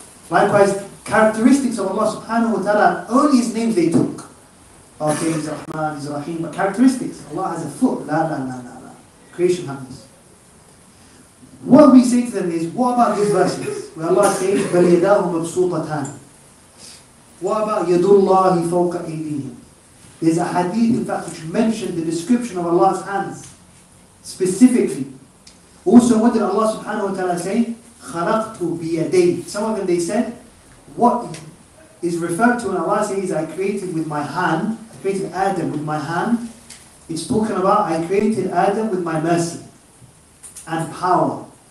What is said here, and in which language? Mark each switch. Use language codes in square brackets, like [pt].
[en] Likewise, characteristics of Allah subhanahu wa ta'ala, only His names they took. Okay, He's Rahman, He's Rahim, but characteristics. Allah has a foot. La la la la la. Creation happens. What we say to them is, what about these verses? Where Allah says, [ar] بَلْ يَدَاهُ مَبْسُوطَتَانِ. What about يَدُ اللَّهِ فَوْقَ أَيْدِيهِمْ. [en] There's a hadith, in fact, which mentioned the description of Allah's hands, specifically. Also, what did Allah subhanahu wa ta'ala say? [ar] خَلَقْتُ بِيَدَيْهِ. [en] Some of them, they said, what is referred to when Allah says, I created with my hand, I created Adam with my hand, it's talking about, I created Adam with my mercy and power.